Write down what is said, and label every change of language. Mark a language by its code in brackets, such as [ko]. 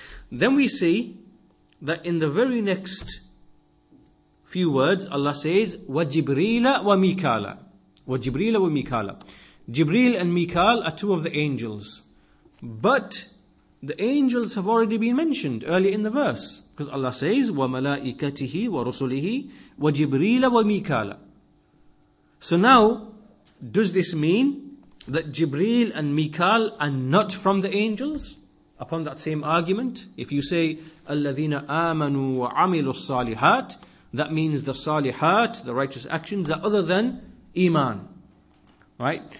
[en] Then we see that in the very next few words, Allah says, [ar] وَجِبْرِيلَ وَمِيكَالَ. وَجِبْرِيلَ وَمِيكَالَ. [en] Jibreel and Mikal are two of the angels. But the angels have already been mentioned earlier in the verse. Because Allah says, [ar] وَمَلَائِكَتِهِ وَرُسُلِهِ وَجِبْرِيلَ وَمِيكَالَ. [en] So now, does this mean that Jibreel and Mikal are not from the angels? Upon that same argument, if you say, [ar] أَلَّذِينَ آمَنُوا وَعَمِلُوا الصَّالِحَاتِ, [en] That means the salihat, the righteous actions, are other than iman. Right?